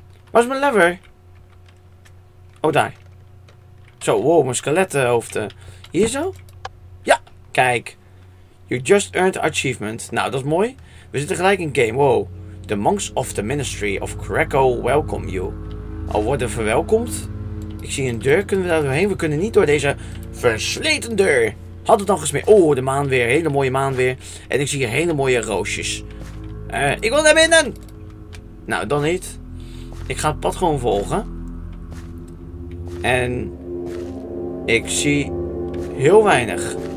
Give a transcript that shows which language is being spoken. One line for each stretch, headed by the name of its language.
Dutch: Waar is mijn lever? Oh, daar. Zo, wow, mijn skelettenhoofd. Hier zo? Ja, kijk.
English: You just earned achievement.
Dutch: Nou, dat is mooi. We zitten gelijk in game. Wow.
English: The monks of the ministry of Krakow welcome you.
Dutch: Al worden verwelkomd. Ik zie een deur. Kunnen we daar doorheen? We kunnen niet door deze versleten deur. Had het dan gesmeerd. Oh, de maan weer. Hele mooie maan weer. En ik zie hier hele mooie roosjes. Ik wil naar binnen. Nou, dan niet. Ik ga het pad gewoon volgen. En ik zie heel weinig.